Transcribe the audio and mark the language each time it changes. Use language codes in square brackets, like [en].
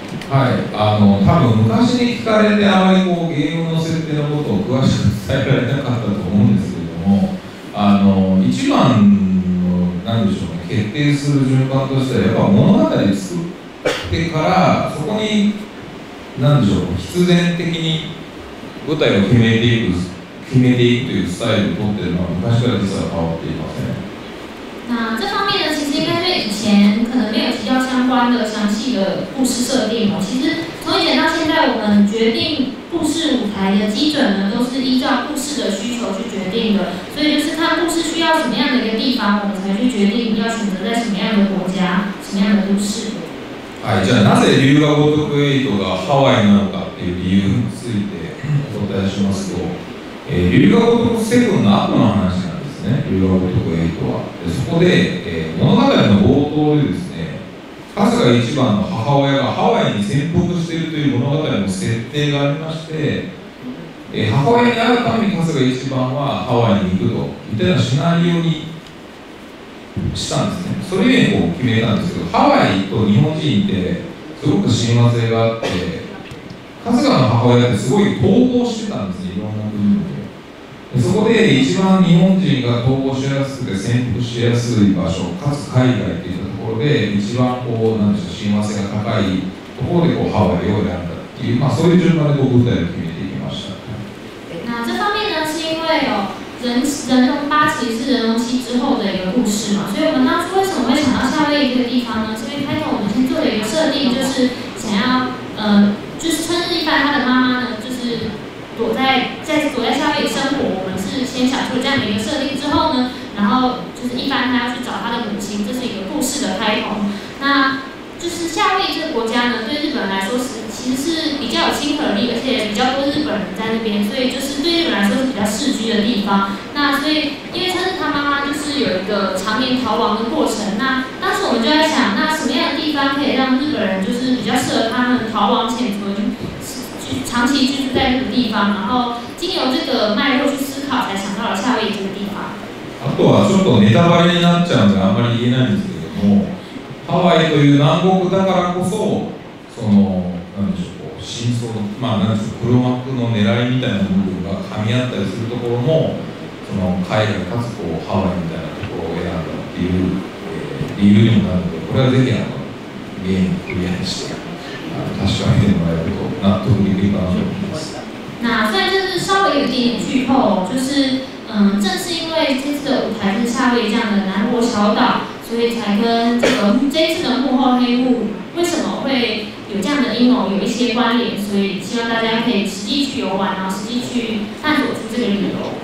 [ja] はい、多分昔に聞かれてあまりこう原油の設定のことを詳しく伝えられなかったと思うんですけれども、一番の何でしょうね、決定する順番としてはやっぱ物語作ってから、そこに何でしょう、必然的に舞台を決めていくというスタイルを取っているのは昔から実は変わっていません。 [zh] 那这方面呢，其实应该是以前可能没有提到相关的详细的故事设定哦。其实从以前到现在，我们决定故事舞台的基准呢，都是依照故事的需求去决定的，所以就是看故事需要什么样的一个地方，我们才去决定要选择在什么样的国家、什么样的都市。 [ja] はい、じゃあなぜ龍が如く8がハワイなのかっていう理由についてお答えしますと、龍が如く7の後の話なんですね。龍が如く8は、でそこで、物語の冒頭でですね、春日一番の母親がハワイに潜伏しているという物語の設定がありまして、母親に会うために春日一番はハワイに行くといったようなシナリオにしたんですね。それゆえにこう決めたんですけど、ハワイと日本人ってすごく親和性があって、春日の母親ってすごい逃亡してたんですね、いろんな国で。でそこで一番日本人が逃亡しやすくて潜伏しやすい場所、かつ海外っていうところで一番こう何でしょう、親和性が高いところでこうハワイを選んだっていう、まあそういう順番でこう舞台を決めていきました。 [zh] 那这方面呢，是因为有人龙八其实是人龙七之后的一个故事嘛，所以我们当初为什么会想到夏威夷这个地方呢？这边开头我们先做了一个设定，就是想要就是春日一番他的妈妈呢，就是躲在夏威夷生活，我们是先想出这样的一个设定之后呢，然后就是一番他要去找他的母亲，这是一个故事的开头。那就是夏威夷这个国家呢，对日本人来说是其实是比较有亲和力，而且比较多日本人在那边，所以就是对日本来说是比较适居的地方。那所以因为春日他妈妈就是有一个常年逃亡的过程，那当时我们就在想，那什么样的地方可以让日本人就是比较适合他们逃亡潜伏，就长期居住在那个地方，然后经由这个脉络去思考，才想到了夏威夷这个地方。 [ja] あとはちょっとネタバレになっちゃうんであんまり言えないんですけども、ハワイという南国だからこそ、その何でしょう、こう真相の、まあ何でしょう、黒幕の狙いみたいな部分が噛み合ったりするところも、その海外かつこうハワイみたいなところを選んだっていう、理由にもなるので、これはぜひゲームをクリアにして確かめてもらえると納得できるかなと思います。 [zh] 那虽然就是稍微有点剧透，就是正是因为这次的舞台是夏威夷这样的南国小岛，所以才跟这次的幕后黑幕为什么会有这样的阴谋有一些关联，所以希望大家可以实际去游玩，然后实际去探索出这个理由。